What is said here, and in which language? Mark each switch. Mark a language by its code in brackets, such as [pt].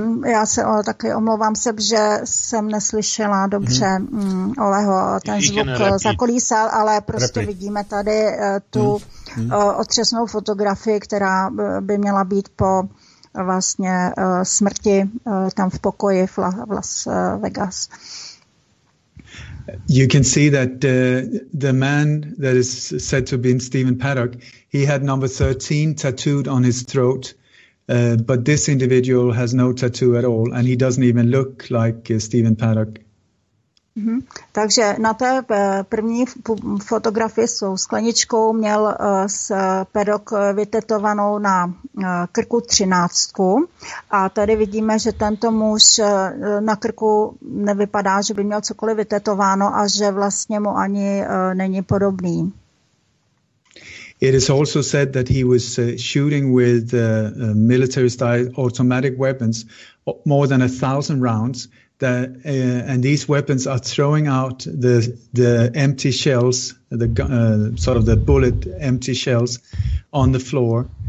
[cs] Já se taky omlouvám se, že jsem neslyšela dobře Oleho, ten zvuk zakolísal, ale prostě repeat. Vidíme tady tu otřesnou fotografii, která by měla být po vlastně smrti tam v pokoji v Las Vegas. [en] You can see that the man that is said to be Stephen Paddock, he had number 13 tattooed on his throat, but this individual has no tattoo at all and he doesn't even look like Stephen Paddock. Mm-hmm. [cs] Takže na té první fotografii s skleničkou měl s Paddock vytetovanou na krku 13. A tady vidíme, že tento muž na krku nevypadá, že by měl cokoliv vytetováno a že vlastně mu ani není podobný. [en] It is also said that he was shooting with military-style automatic weapons, more than 1,000 rounds. And these weapons are throwing out the empty shells, the sort of the bullet empty shells on the floor.